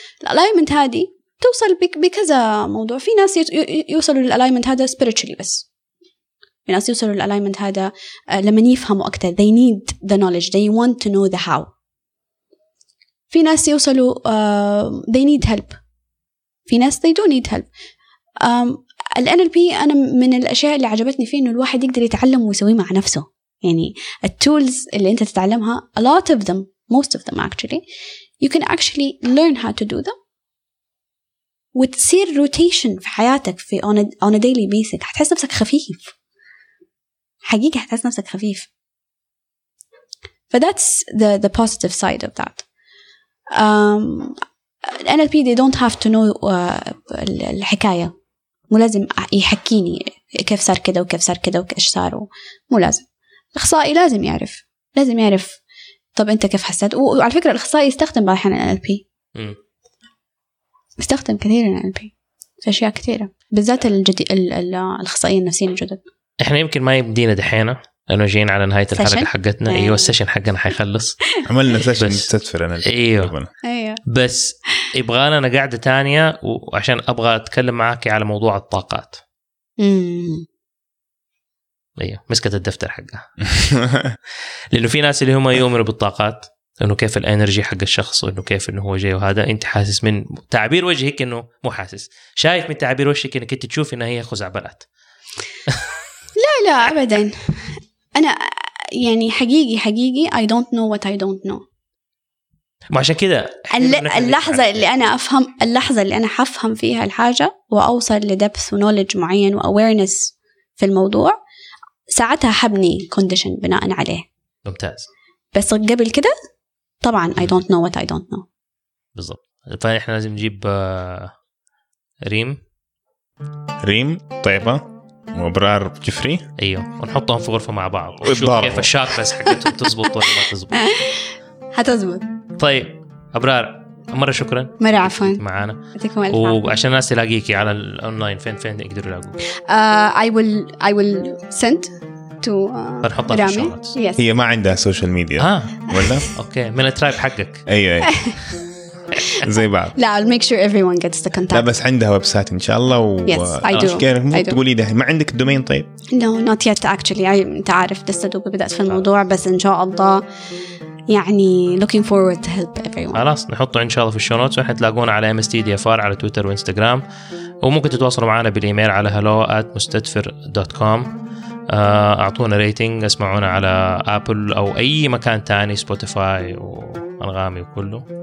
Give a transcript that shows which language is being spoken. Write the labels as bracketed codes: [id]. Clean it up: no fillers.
[ar] الاينمنت هذه توصل بكذا موضوع، في ناس يوصلوا للالاينمنت هذا سبيريتشلي، بس في ناس يوصلوا للالاينمنت هذا لما يفهموا اكثر، [en] they need the knowledge, they want to know the how. [ar] في ناس يوصلوا [en] they need help، [ar] في ناس [en] they don't need help. [ar] الـ NLP أنا من الأشياء اللي عجبتني فيه إنه الواحد يقدر يتعلم ويسويه مع نفسه. يعني التولز اللي أنت تتعلمها [en] a lot of them most of them actually you can actually learn how to do them، [ar] وتصير روتيشن في حياتك في [en] on a daily basis. [ar] هتحس نفسك خفيف حقيقة، هتحس نفسك خفيف. [en] فthat's the positive side of that. [ar] NLP [en] they don't have to know [ar] الحكاية، مو لازم يحكيني كيف صار كده وكيف صار كده وكيف صار، مو لازم. الأخصائي لازم يعرف، لازم يعرف طب أنت كيف حسيت. وعلى فكرة الأخصائي يستخدم بعض الحين NLP يستخدم كثير NLP في أشياء كثيرة، بالذات الأخصائي النفسي الجدد. إحنا يمكن ما يبدينا دحينا لانه جينا على نهايه سيشن؟ الحلقه حقتنا. ايوه السيشن حقنا حيخلص، عملنا سيشن تدفر انا. ايوه بس يبغى لنا قاعده تانية، وعشان ابغى اتكلم معك على موضوع الطاقات. ايوه مسكت الدفتر حقها لانه في ناس اللي هم يؤمنوا بالطاقات، انه كيف الانرجي حق الشخص، وانه كيف انه هو جاي، وهذا انت حاسس من تعبير وجهك انه مو حاسس، شايف من تعبير وجهك انك انت تشوف انها هي خزعبلات. لا لا ابدا، انا يعني حقيقي [en] I don't know what I don't know. [ar] وعشان كده اللحظة اللي أنا أفهم، اللحظة اللي أنا حفهم فيها الحاجة وأوصل لدبث ونولج معين وأويرنس في الموضوع، ساعتها حبني كونديشن بناء عليه. ممتاز. بس قبل كده طبعا [en] I don't know what I don't know. [ar] بالضبط. طيب إحنا لازم نجيب ريم. ريم طيبة وبرار جفري. أيوه، ونحطهم في غرفة مع بعض ونشوف كيف الشارفس حقتهم تزبط ولا ما تزبط. هتزبط. طيب أبرار مرة شكرا. مرة عفوا. معانا. يعطيكم ألف. وعشان الناس يلاقيكي على الأونلاين فين فين يقدروا يلاقوك؟ [en] I will send to [ar] رامي. هي ما عندها سوشيال ميديا. ولا؟ أوكي من الترايب حقك. أيوه. زي بعض. [en] لا I'll make sure everyone gets the contact. [ar] لا بس عندها ويب سايت إن شاء الله. و... [en] Yes I do. [ar] تقولي ده ما عندك الدومين طيب؟ [en] No not yet actually. [ar] أنت عارف لسه دوب بدأت في الموضوع بس إن شاء الله. [en] يعني looking forward to help everyone. [ar] خلاص نحطه إن شاء الله في الشو نوتس وحتلاقونا على MSTDFR على تويتر وإنستغرام، وممكن تتواصلوا معنا بالإيميل على hello@mustadfir.com. أعطونا ريتنج، اسمعونا على أبل أو أي مكان تاني، سبوتيفاي وأنغامي وكله.